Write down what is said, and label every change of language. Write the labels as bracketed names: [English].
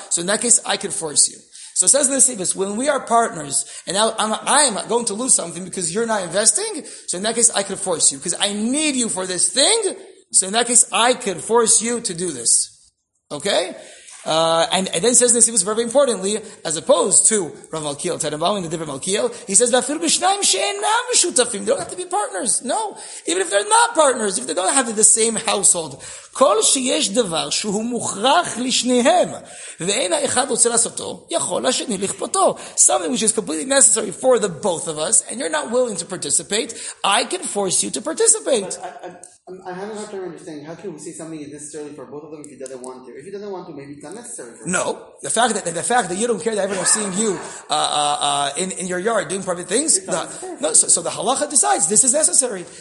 [English] So in that case, I can force you. So it says in the Sivis, when we are partners, and now I'm going to lose something because you're not investing, so in that case, I could force you. Because I need you for this thing, so in that case, I could force you to do this. Okay? And then says in the Sivis, very importantly, as opposed to Rav Malkiel, Tenenbaum, in the different Malkiel, he says, they don't have to be partners. No. Even if they're not partners, if they don't have the same household, [Hebrew] כל שיש דבר שהוא מוכרח לשניהם, ואין האחד רוצה לעשותו, יכול השני לכפותו. [English] Something which is completely necessary for the both of us, and you're not willing to participate, I can force you to participate. I have a hard time understanding, how can we say something is necessary for both of them if he doesn't want to? If he doesn't want to, maybe it's not necessary for him. No. The fact that you don't care that everyone's seeing you in your yard doing private things, so the halacha decides this is necessary.